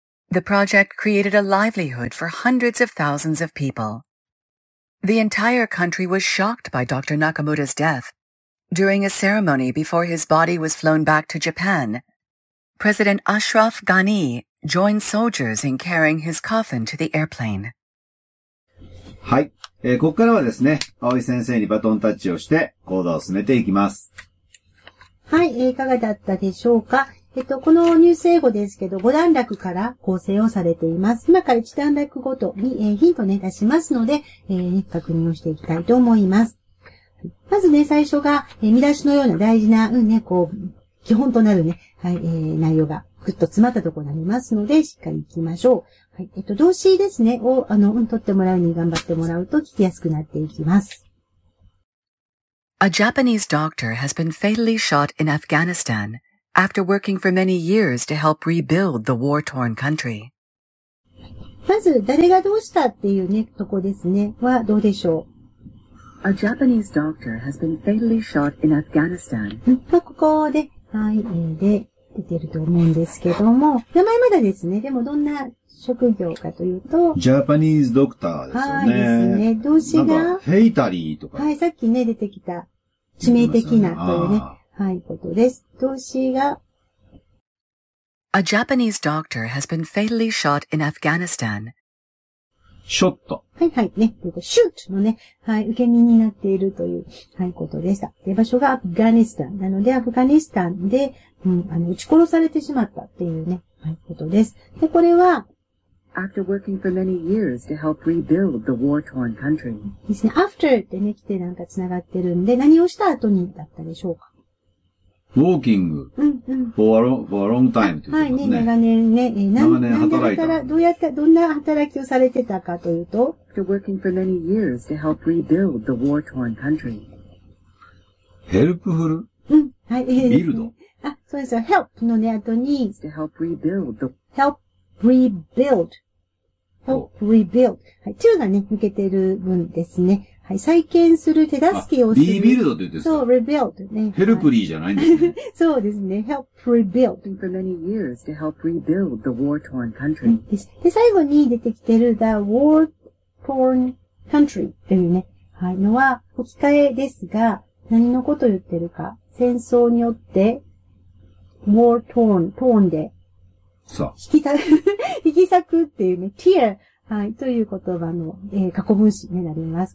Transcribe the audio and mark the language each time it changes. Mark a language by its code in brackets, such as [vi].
[en] The project created a livelihood for hundreds of thousands of people. The entire country was shocked by Dr. Nakamura's death. During a ceremony before his body was flown back to Japan,President Ashraf Ghani joined soldiers in carrying his coffin to the airplane. [ja] はい、ここからはですね、青井先生にバトンタッチをして講座を進めていきます。はい、いかがだったでしょうか。このニュース英語ですけど、5段落から構成をされています。今から1段落ごとに、ヒントを、ね、出しますので、確認をしていきたいと思います。まずね、最初が、見出しのような大事な、こう、基本となるね、はい、内容がぐっと詰まったところになりますので、しっかり行きましょう。はい、動詞ですね、を、取ってもらうに頑張ってもらうと聞きやすくなっていきます。 [en] A Japanese doctor has been fatally shot in Afghanistan after working for many years to help rebuild the war-torn country. [ja] まず、誰がどうしたっていうね、とこですね、はどうでしょう。 [en] A Japanese doctor has been fatally shot in Afghanistan. [ja] ここで、はい、で、出てると思うんですけども、名前まだですね。でも、どんな職業かというと、ジャパニーズドクターですよね。はい、ですね。動詞が、ヘイタリーとか。はい、さっきね、出てきた、致命的なというね、はい、ことです。動詞が、 [en] A Japanese doctor has been fatally shot in Afghanistan. ショット。 [ja] はい、はい、ね、シュートのね、はい、受け身になっているという、はい、ことでした。で、場所がアフガニスタン。なので、アフガニスタンで、撃ち殺されてしまったっていうね、はい、ことです。で、これは、 [en] After working for many years to help rebuild the war-torn country. [ja] ですね、after ってね、来てなんか繋がってるんで、何をした後にだったでしょうか。 [en] Walking. [ja] うん、うん。 [en] for a long time [ja] って言ってますね。はい、ね、長年ね、長年働いた。何で働いた、どうやって、どんな働きをされてたかというと、 [en] After working for many years to help rebuild the war-torn country. Helpful? [ja] うん、はい、 [en] Build? [ja] あ、そうですよ。help のね、後に、 [en] to help rebuild the, help rebuild. help rebuild. [ja] はい、to がね、抜けてる分ですね。はい、再建する手助けをする。 rebuild って言ってた。そう、rebuild ね。ヘルプリーじゃないんですね。そうですね。 [en] help rebuild. for many years to help rebuild the war-torn country. [ja] で、最後に出てきてる、 [en] the war-torn country [ja] っていうね、はい、のは、置き換えですが、何のことを言ってるか。戦争によって、 [en] war torn, [ja] torn で、そう。引き裂くっていうね、tear, はい、という言葉の、過去分詞になります。